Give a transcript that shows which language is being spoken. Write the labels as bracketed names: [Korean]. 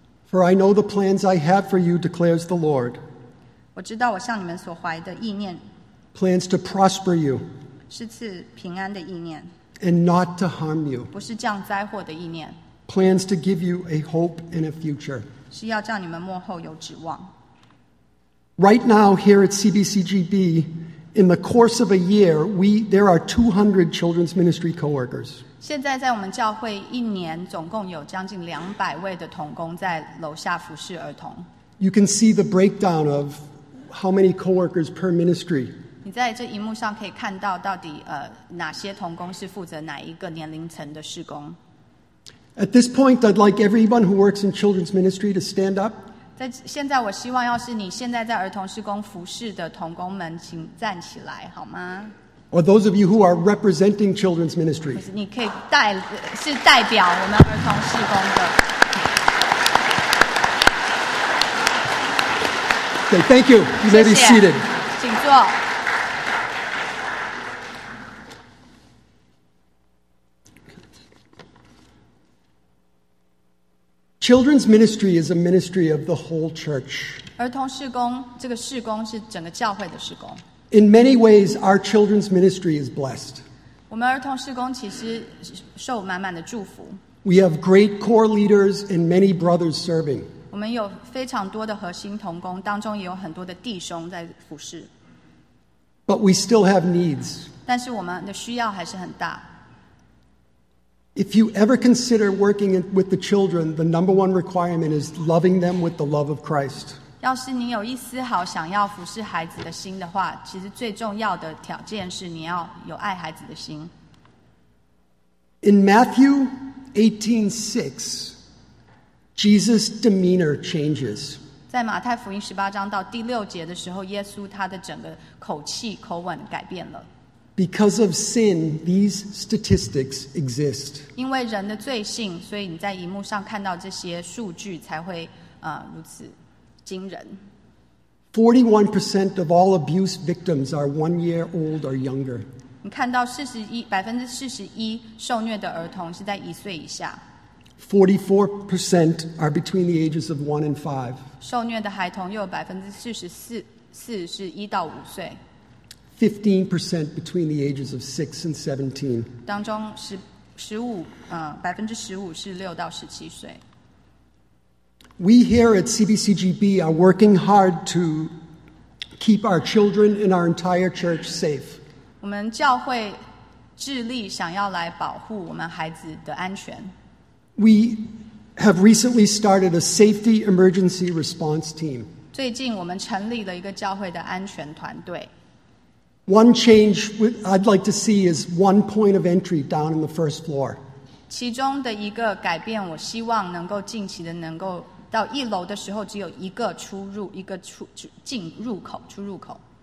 [English] For I know the plans I have for you, declares the Lord. [Chinese] 我知道我向你们所怀的意念。 [English] Plans to prosper you. [Chinese] 是赐平安的意念。 [English] And not to harm you. [Chinese] 不是降灾祸的意念。 [English] Plans to give you a hope and a future. [Chinese] 是要叫你们末后有指望。 [English] Right now, here at CBCGB, In the course of a year, there are 200 children's ministry co-workers. [Chinese] 现在在我们教会一年总共有将近200位的同工在楼下服侍儿童。 [English] You can see the breakdown of how many co-workers per ministry. [Chinese] 你在这荧幕上可以看到到底哪些同工是负责哪一个年龄层的事工。 [English] At this point, I'd like everyone who works in children's ministry to stand up. [Chinese] 在现在我希望要是你现在在儿童事工服事的同工们请站起来好吗 [English] Or those of you who are representing children's ministry [Chinese] 你可以是代表我们儿童事工的 [English] Okay, thank you. You may be seated. [Chinese] 请坐。 [English] Children's ministry is a ministry of the whole church. [Chinese] 儿童事工，这个事工是整个教会的事工。 [English] In many ways, our children's ministry is blessed. [Chinese] 我们儿童事工其实受满满的祝福。 [English] We have great core leaders and many brothers serving. [Chinese] 我们有非常多的核心同工，当中也有很多的弟兄在服事。 [English] But we still have needs. [Chinese] 但是我们的需要还是很大。 [English] If you ever consider working with the children, the number one requirement is loving them with the love of Christ. [Chinese] 要是你有一丝毫想要服侍孩子的心的话，其实最重要的条件是你要有爱孩子的心。 [English] In Matthew 18:6, Jesus' demeanor changes. [Chinese] 在马太福音十八章到第六节的时候，耶稣他的整个口气口吻改变了。 [English] Because of sin, these statistics exist. [Chinese] 因为人的罪性，所以你在荧幕上看到这些数据才会如此惊人。 [English] 41% of all abuse victims are 1 year old or younger. [Chinese] 你看到41%受虐的儿童是在一岁以下。 [English] 44% are between the ages of 1 and 5. [Chinese] 受虐的孩童又有44%是一到五岁。 [English] 15% between the ages of 6 and 17. [Chinese] 当中15% 是六到十七岁。 [English] We here at CBCGB are working hard to keep our children and our entire church safe. [Chinese] 我们教会致力想要来保护我们孩子的安全。 [English] We have recently started a safety emergency response team. [Chinese] 最近我们成立了一个教会的安全团队。 [English] One change I'd like to see is one point of entry down in the first floor. [Chinese] 其中的一个改变，我希望能够近期的能够到一楼的时候只有一个出入，一个出入口。